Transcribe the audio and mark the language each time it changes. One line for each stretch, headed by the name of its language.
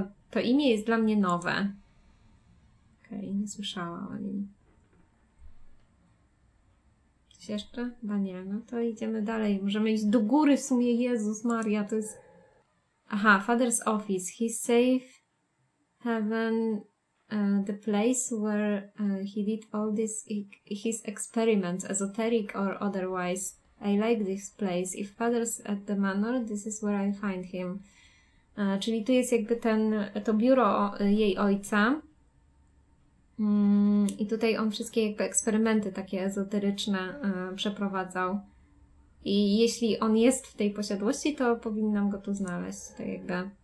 Polish: To imię jest dla mnie nowe. Okej, okay, nie słyszałam o nim. Coś jeszcze? Chyba nie. No to idziemy dalej. Możemy iść do góry w sumie. Jezus Maria, to jest... Aha, Father's Office.
English: He safe heaven, the place where he did all this, his experiments, esoteric or otherwise. I like this place. If Father's at the manor, this is where I find him.
Polish: Czyli tu jest jakby to biuro jej ojca. I tutaj on wszystkie jakby eksperymenty takie ezoteryczne przeprowadzał. I jeśli on jest w tej posiadłości, to powinnam go tu znaleźć. Tak jakby.